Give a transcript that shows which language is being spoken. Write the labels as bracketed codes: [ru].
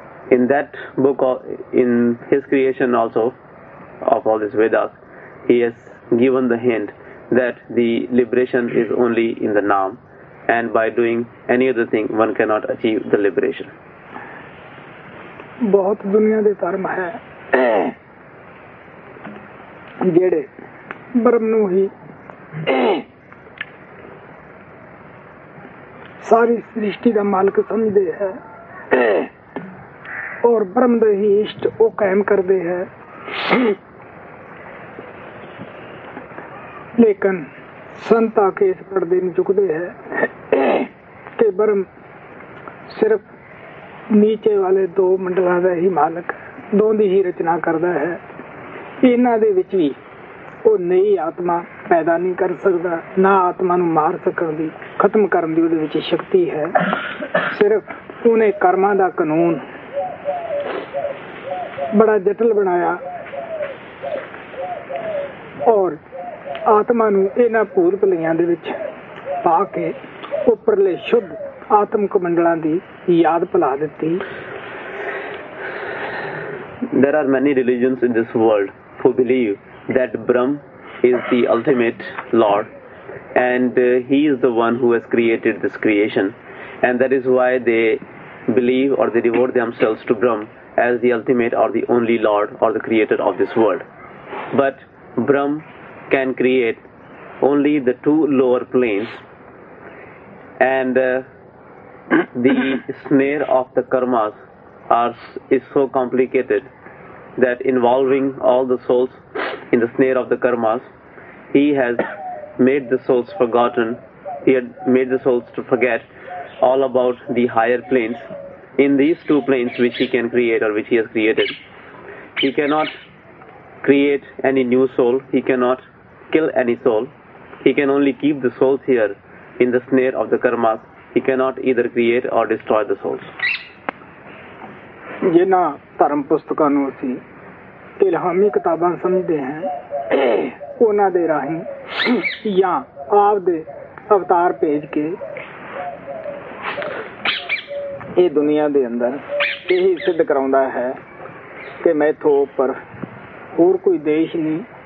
[en] In that book, in his creation also of all these Vedas, he has given the hint that the liberation is only in the Naam, and by doing any other thing one cannot achieve the liberation. [pa] Bahut duniya de tarm hai ਜਿਹੜੇ ਬ੍ਰਹਮ ਨੂੰ ਹੀ ਸਾਰੀ ਸ੍ਰਿਸ਼ਟੀ ਦਾ ਮਾਲਕ ਸਮਝਦੇ ਹੈ ਔਰ ਬ੍ਰਹਮ ਦੇ ਹੀ ਇਸ਼ਟ ਉਹ ਕਾਇਮ ਕਰਦੇ ਹੈ ਲੇਕਿਨ ਸੰਤ ਆ ਕੇ ਇਸ ਪਰਦੇ ਨੂੰ ਚੁੱਕਦੇ ਹੈ ਕਿ ਬ੍ਰਹਮ ਸਿਰਫ ਨੀਚੇ ਵਾਲੇ ਦੋ ਮੰਡਲਾਂ ਦਾ ਹੀ ਮਾਲਕ ਦੋ ਦੀ ਹੀ ਰਚਨਾ ਕਰਦਾ ਹੈ ਇਹਨਾਂ ਦੇ ਵਿੱਚ ਵੀ ਉਹ ਨਈ ਆਤਮਾ ਪੈਦਾ ਨਹੀਂ ਕਰ ਸਕਦਾ ਨਾ ਆਤਮਾ ਨੂੰ ਮਾਰ ਸਕਣ ਦੀ ਖਤਮ ਕਰਨ ਦੀ ਉਹਦੇ ਵਿੱਚ ਸ਼ਕਤੀ ਹੈ ਸਿਰਫ ਉਹਨੇ ਕਰਮਾਂ ਦਾ ਕਾਨੂੰਨ ਬੜਾ ਜਟਿਲ ਬਣਾਇਆ ਔਰ ਆਤਮਾ ਨੂੰ ਇਹਨਾਂ ਭੂਤਲੀਆਂ ਦੇ ਵਿੱਚ ਪਾ ਕੇ ਉੱਪਰਲੇ ਸ਼ੁੱਧ ਆਤਮਕ ਮੰਡਲਾਂ ਦੀ ਯਾਦ ਭੁਲਾ ਦਿੱਤੀ [en] There are many religions in this world who believe that Brahm is the ultimate Lord and he is the one who has created this creation and that is why they believe or they devote themselves to Brahm as the ultimate or the only Lord or the creator of this world. But Brahm can create only the two lower planes and the snare of the karmas is so complicated that involving all the souls in the snare of the karmas, he has made the souls forgotten. He had made the souls to forget all about the higher planes. In these two planes which he can create or which he has created, he cannot create any new soul, he cannot kill any soul. He can only keep the souls here in the snare of the karmas. He cannot either create or destroy the souls. [pa] ਜਿਨ੍ਹਾਂ ਧਰਮ ਪੁਸਤਕਾਂ ਨੂੰ ਅਸੀਂ ਇਲਹਾਮੀ ਕਿਤਾਬਾਂ ਸਮਝਦੇ ਹਾਂ ਉਹਨਾਂ ਦੇ ਰਾਹੀਂ ਜਾਂ ਆਪਦੇ ਅਵਤਾਰ ਭੇਜ ਕੇ ਇਹ ਦੁਨੀਆਂ ਦੇ ਅੰਦਰ ਇਹੀ ਸਿੱਧ ਕਰਾਉਂਦਾ ਹੈ ਕਿ ਮੈਥੋਂ ਉੱਪਰ ਹੋਰ ਕੋਈ ਦੇਸ਼ ਨਹੀਂ